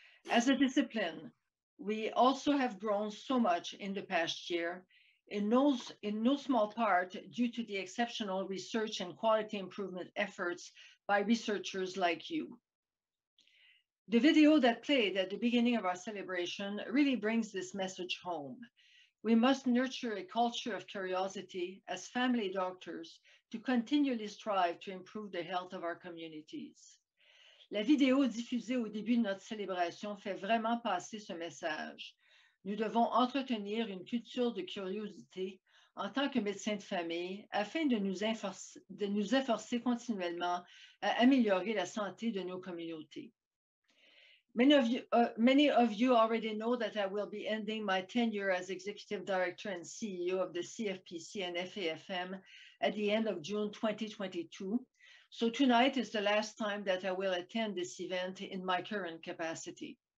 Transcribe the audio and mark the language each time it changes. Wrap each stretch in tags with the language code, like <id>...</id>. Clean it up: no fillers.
<en>As a discipline, we also have grown so much in the past year, in no small part due to the exceptional research and quality improvement efforts by researchers like you. The video that played at the beginning of our celebration really brings this message home. We must nurture a culture of curiosity as family doctors to continually strive to improve the health of our communities.</en> <fr>La vidéo diffusée au début de notre célébration fait vraiment passer ce message. Nous devons entretenir une culture de curiosité en tant que médecins de famille afin de nous efforcer continuellement à améliorer la santé de nos communautés.</fr> <en>Many of you already know that I will be ending my tenure as Executive Director and CEO of the CFPC and FAFM at the end of June 2022. So tonight is the last time that I will attend this event in my current capacity.</en>